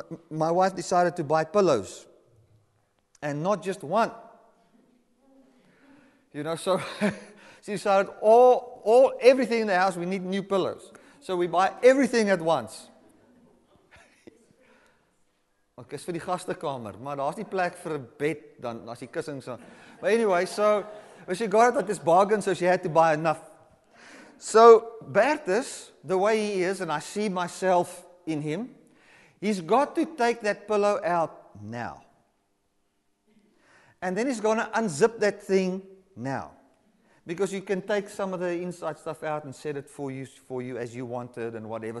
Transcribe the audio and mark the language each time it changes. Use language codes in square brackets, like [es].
[en] My wife decided to buy pillows. And not just one. You know, so she decided all everything in the house, we need new pillows. So we buy everything at once. [af] Ek is vir die gastekamer, maar daar is die plek vir 'n bed, dan as die kussings aan. [en] But anyway, so, when she got it at this bargain, so she had to buy enough. So, Bertus, the way he is, and I see myself in him, he's got to take that pillow out now. And then he's going to unzip that thing now. Because you can take some of the inside stuff out and set it for you as you wanted and whatever.